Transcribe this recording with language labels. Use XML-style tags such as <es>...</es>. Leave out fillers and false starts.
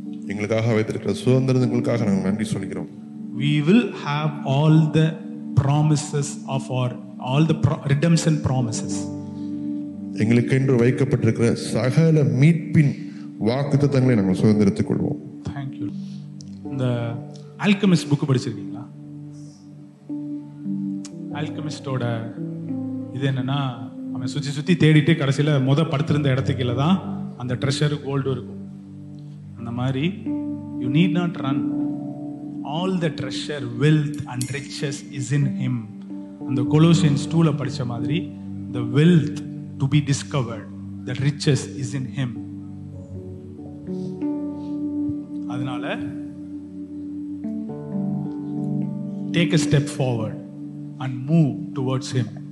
<ta>எங்களுக்காக வைத்திருக்கிற சுதந்திரங்களுக்காக நாங்கள் நன்றி சொல்கிறோம்.</ta> <en>We will have all the promises of our all the redemption promises.</en> <ta>எங்களுக்கென்று வைக்கப்பட்டிருக்கிற சகல மீட்பின் வாக்குத்தத்தங்களை நாங்கள் சுதந்திரத்துக் கொள்வோம்.</ta> <en>Thank you.</en> <ta>இந்த ஆல்கெமிஸ்ட் புக் படிச்சிருக்கீங்களா? ஆல்கெமிஸ்டோட இது என்னன்னா, அவன் சுத்தி சுத்தி தேடிட்டு கடைசியில முத படுத்திருந்த இடத்துக்குள்ள தான் அந்த ட்ரெஷர் கோல்டு இருக்கும். அந்த மாதிரி</ta> <en>You need not run. All the treasure, wealth and riches is in him. And the Colossians 2</en> <ta>la padicha madri,</ta> <en>the wealth to be discovered, the riches is in him.</en> <ta>Adanalae</ta> <en>take a step forward and move towards him.</en>